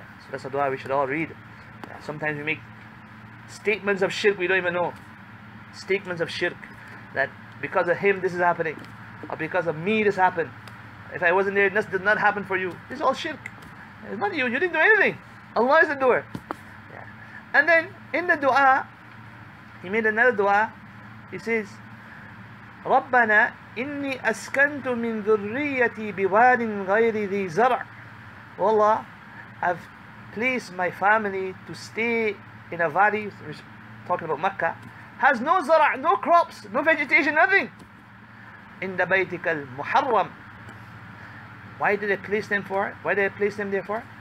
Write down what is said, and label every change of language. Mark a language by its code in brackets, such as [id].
[en] That's a dua we should all read. Sometimes we make statements of shirk we don't even know. Statements of shirk. That because of him this is happening. Or because of me this happened. If I wasn't there, this did not happen for you. This is all shirk. It's not you. You didn't do anything. Allah is the doer. And then in the dua, he made another dua. He says, [ar] رَبَّنَا إِنِّي أَسْكَنْتُ مِنْ ذُرِّيَّتِي بِوَادٍ غَيْرِ ذِي زَرْعٍ. [en] Oh Allah, I've place my family to stay in a valley, which, talking about Mecca, has no zara, no crops, no vegetation, nothing. In the baytika al-muharram. Why did they place them for? Why did they place them there for?